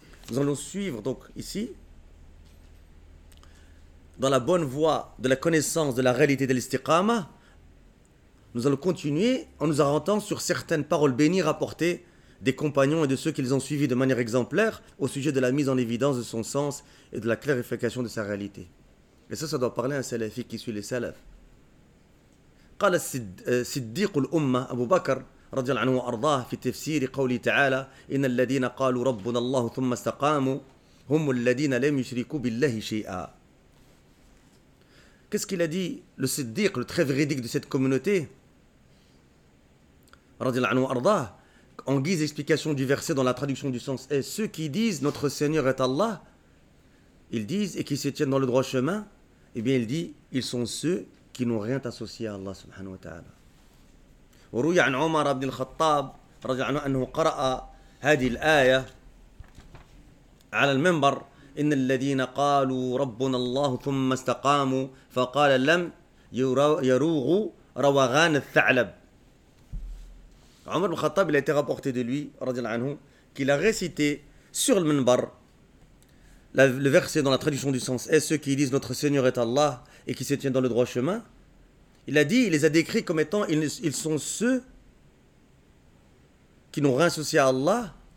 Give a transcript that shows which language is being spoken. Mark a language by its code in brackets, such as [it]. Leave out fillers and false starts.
[fr] Nous allons suivre donc ici dans la bonne voie de la connaissance de la réalité de l'istiqama, nous allons continuer en nous arrêtant sur certaines paroles bénies rapportées des compagnons et de ceux qui les ont suivis de manière exemplaire au sujet de la mise en évidence de son sens et de la clarification de sa réalité. Et ça doit parler à un salafi qui suit les salafs. [ar] Qala siddiq al-umma Abu Bakr رضي الله عنه وارضاه في تفسير قوله تعالى ان الذين قالوا ربنا الله ثم استقاموا هم الذين لم يشركوا بالله شيئا. [fr] Qu'est-ce qu'il a dit le siddiq, le très véridique de cette communauté, en guise d'explication du verset dans la traduction du sens est: ceux qui disent notre Seigneur est Allah, ils disent, et qui se tiennent dans le droit chemin, eh bien il dit, ils sont ceux qui n'ont rien associé à Allah subhanahu wa ta'ala. [ar] وروي عن عمر بن الخطاب رضي الله عنه أنه قرأ هذه الآية على المنبر: إن الذين قالوا ربنا الله ثم استقاموا فقال لم يروغ رواغان الثعلب. [fr] عمر بن الخطاب il a été rapporté de lui رضي الله عنه qu'il a récité sur le minbar le verset dans la traduction du sens est: ceux qui disent notre Seigneur est Allah et qui se tiennent dans le droit chemin. Il a dit, il les a décrits comme étant, ils sont ceux qui n'ont rien associé à Allah.